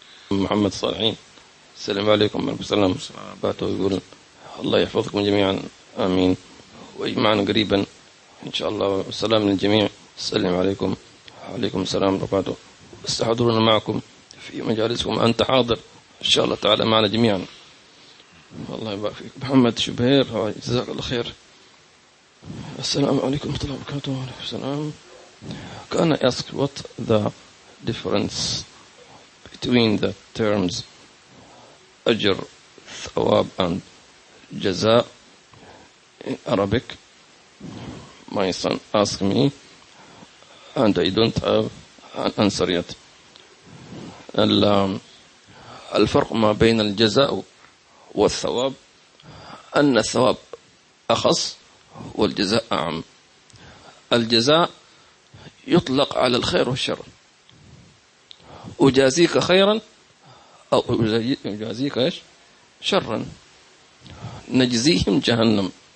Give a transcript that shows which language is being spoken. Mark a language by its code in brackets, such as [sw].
[ar] محمد الصالحين السلام عليكم ورحمة الله وبركاته، يقول الله يحفظكم جميعا آمين وإجمعنا قريبا إن شاء الله، والسلام للجميع، السلام عليكم، عليكم السلام وبركاته، استحضرنا معكم في مجالسكم، أنت حاضر إن شاء الله تعالى معنا جميعا، الله يبارك فيك. محمد شبهير جزاك الله خير، السلام عليكم ورحمة الله وبركاته، وعليكم السلام. [en] كان ask what the difference between the terms [ar] أجر ثواب [en] and جزاء in Arabic. My son asked me and I don't have an answer yet. [ar] الفرق ما بين الجزاء والثواب أن الثواب أخص والجزاء أعم. الجزاء يطلق على الخير والشر، أجازيك خيرا أو أجازيك شرا، نجزيهم جهنم.